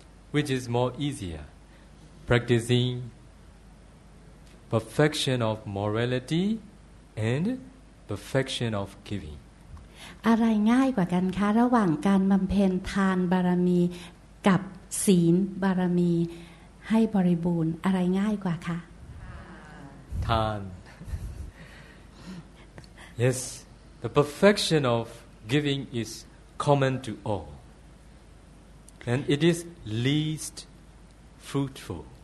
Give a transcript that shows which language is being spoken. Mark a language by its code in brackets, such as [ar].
[en] Which is more easier practicing perfection of morality and perfection of giving [th] อะไรง่ายกว่ากันคะระหว่างการบำเพ็ญทานบารมีกับศีลบารมีให้บริบูรณ์อะไรง่ายกว่าคะ [en] ทาน Yes the perfection of giving is common to all and it is least fruitful